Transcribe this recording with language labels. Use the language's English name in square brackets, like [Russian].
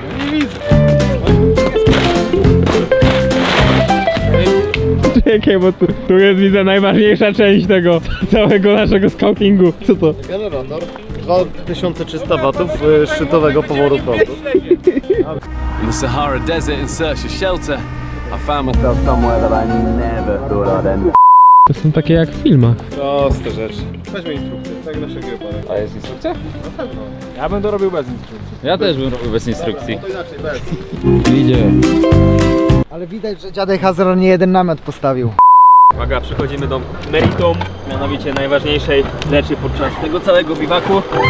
[Polish] Nie widzę. Czekaj, bo tu jest widzę najważniejsza część tego całego naszego scoutingu. Co to? Generator 2300 watów szczytowego poworu prądu. [English] In the Sahara Desert in search of shelter, I found myself somewhere that I never thought I'd end. [Polish] To są takie jak w filmach. Proste rzeczy. Weźmy instrukcję, tak nasze gry. A jest instrukcja? No pewno. Ja bym to robił bez instrukcji. Ja też bym robił bez instrukcji. Dobra, no to inaczej, bez. Idzie. Ale widać, że dziadek Hazron nie jeden namiot postawił. Uwaga, przechodzimy do meritum, mianowicie najważniejszej rzeczy podczas tego całego biwaku.